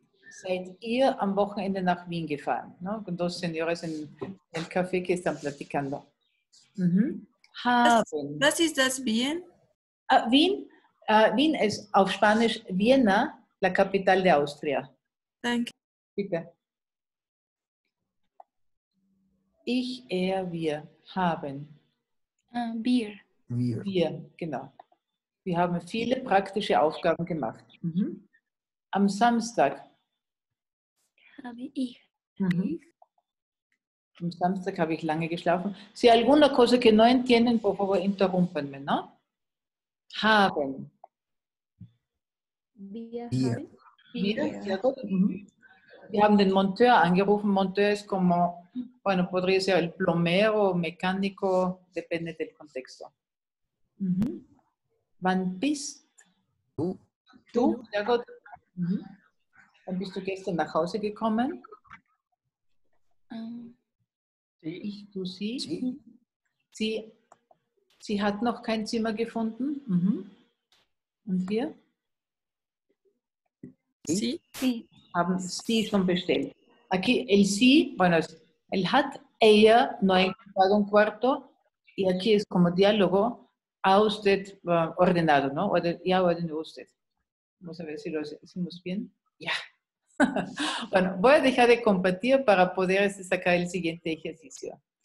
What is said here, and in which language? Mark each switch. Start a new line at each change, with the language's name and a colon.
German: Seid ihr am Wochenende nach Wien gefahren?
Spanish: ¿No? Con dos señores en el café que están platicando.
German: Was ist das Wien?
Spanish: Wien? Wien es
German: auf Spanisch
Spanish: Viena, la capital de Austria.
German: Danke. Bitte. Ich, er, wir haben. Bier. Bier. Bier, genau. Wir haben viele praktische Aufgaben gemacht. Mhm. Am Samstag. Habe ich. Mhm. Am Samstag habe ich lange geschlafen.
Spanish: Si alguna cosa que no entienden, por favor, interrumpenme, ¿no?
German: Haben. Wir haben den Monteur angerufen.
Spanish: Monteur ist como, bueno, podría ser el plomero, mecánico, depende del contexto. Mm-hmm.
German: Wann bist du? Du? Ja, gut. Mm-hmm. Wann bist du gestern nach Hause gekommen? Ich, du, sie? Sie hat noch kein Zimmer gefunden. Mm-hmm. Und wir?
Spanish: Sí.
German: Haben Sie schon bestellt.
Spanish: Aquí el sí, bueno, el hat, ella no ha encontrado un cuarto, y aquí es como diálogo, ha usted ordenado, ¿no? Ya ordenó usted. Vamos a ver si lo hicimos bien. Ya. Yeah. Bueno, voy a dejar de compartir para poder sacar el siguiente ejercicio.